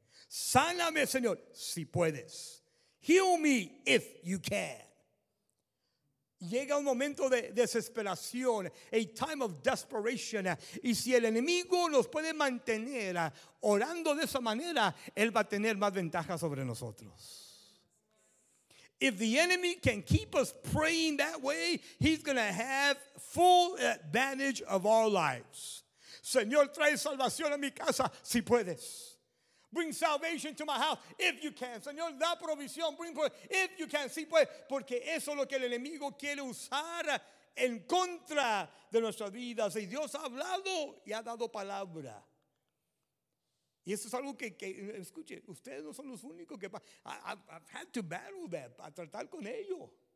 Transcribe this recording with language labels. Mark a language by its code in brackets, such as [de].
[es] Sáname, Señor, si puedes. [en] Heal me if you can. [es] Llega un momento de desesperación, [en] a time of desperation. [es] Y si el enemigo nos puede mantener orando de esa manera, él va a tener más ventaja sobre nosotros. [en] If the enemy can keep us praying that way, he's going to have full advantage of our lives. [es] Señor, trae salvación a mi casa, si puedes. [en] Bring salvation to my house if you can. [es] Señor, da provisión. [en] Bring provisión. If you can. [es] Sí, pues. Porque eso es lo que el enemigo quiere usar en contra de nuestras vidas. Y Dios ha hablado y ha dado palabra. Y eso es algo que escuche, ustedes no son los únicos que. [en] I've had to battle that, [es] a tratar con ello.